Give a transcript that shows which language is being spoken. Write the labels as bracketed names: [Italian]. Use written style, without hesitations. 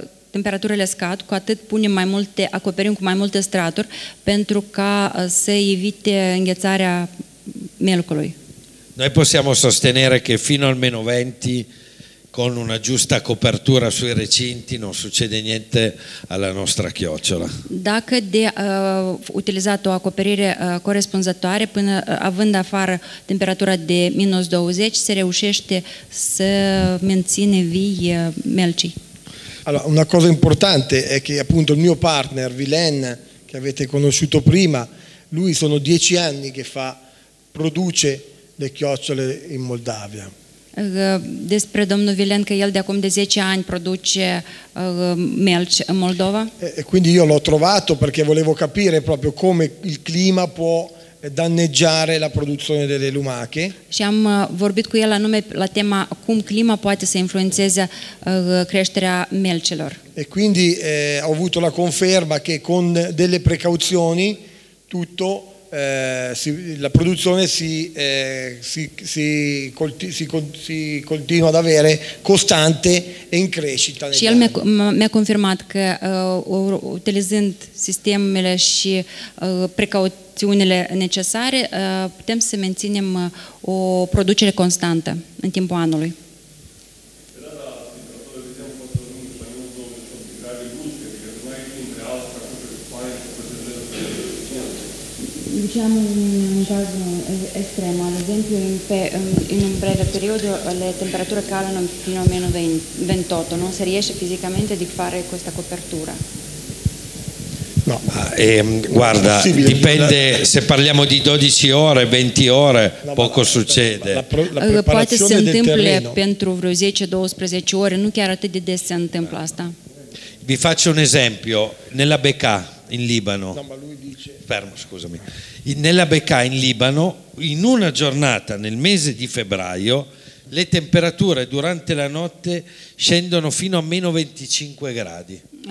[Romanian] Temperaturile scad, cu atât punem mai multe, acoperim cu mai multe straturi pentru ca să evite înghețarea melcului. [Italian] Noi possiamo sostenere che fino al meno 20 con una giusta copertura sui recinti non succede niente alla nostra chiocciola. [Romanian] Dacă de utilizat o acoperire corespunzătoare până având afară temperatura de minus 20, se reușește să menține vii melcii. [Italian] Allora, una cosa importante è che appunto il mio partner, Vilen, che avete conosciuto prima, lui sono 10 anni che fa, produce le chiocciole in Moldavia. [Romanian] Despre domnul Vilen, că el de acum de 10 ani produce melci în Moldova. [Italian] E quindi io l'ho trovato perché volevo capire proprio come il clima può danneggiare la produzione delle lumache. [Romanian] Și am vorbit cu el anume la tema cum clima poate să influențeze creșterea melcilor. [Italian] E quindi ho avuto la conferma che con delle precauzioni tutto la produzione si continua ad avere costante e in crescita. [Romanian] Și el mi-a confirmat că utilizând sistemele și precauțiunile necesare putem să menținem o producere constantă în timpul anului. [Italian] Diciamo un caso estremo, ad esempio in un breve periodo le temperature calano fino a meno 28, non si riesce fisicamente di fare questa copertura? No, guarda, dipende, se parliamo di 12 ore, 20 ore, poco succede. [Romanian] Poate se întâmple pentru vreo 10-12 ore, non chiar atât de des se întâmplă asta. [Italian] Vi faccio un esempio, nella Bekaa, in Libano. No, ma lui dice... Fermo, scusami. Nella Bekaa in Libano, in una giornata nel mese di febbraio, le temperature durante la notte scendono fino a meno 25 gradi.